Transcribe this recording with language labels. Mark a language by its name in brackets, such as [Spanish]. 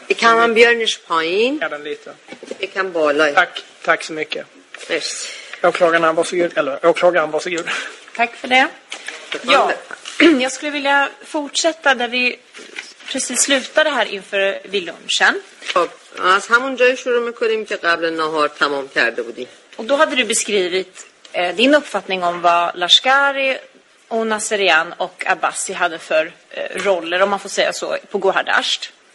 [Swedish] Jag kan ha en björnisk pojn. Ja, den lite. Jag kan bolla. Tack, tack så mycket. Först. Åklagaren, varsågod. Eller, åklagaren, varsågod. Tack för det. Ja, jag skulle vilja fortsätta där vi... precis slutade här inför villunchen. Och [Persian] همون جای شروع می‌کنیم که قبل نهار تمام کرده بودی. [Swedish] Och då hade du beskrivit din uppfattning om vad Lashkari och Nasserian och Abbasi hade för roller, om man får säga så, på Gohardasht.